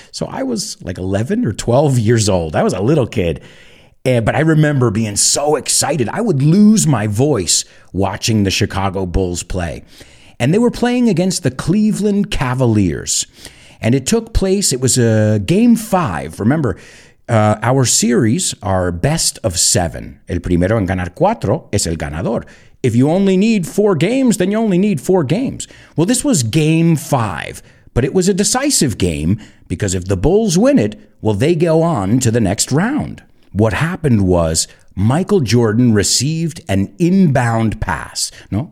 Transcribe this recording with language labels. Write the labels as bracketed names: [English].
[English] So I was like 11 or 12 years old. I was a little kid. But I remember being so excited. I would lose my voice watching the Chicago Bulls play. And they were playing against the Cleveland Cavaliers. And it took place, it was a game five. Remember, our series are best of seven. [Spanish] El primero en ganar cuatro es el ganador. [English] If you only need four games, then you only need four games. Well, this was game five, but it was a decisive game because if the Bulls win it, well, they go on to the next round. What happened was Michael Jordan received an inbound pass, ¿no?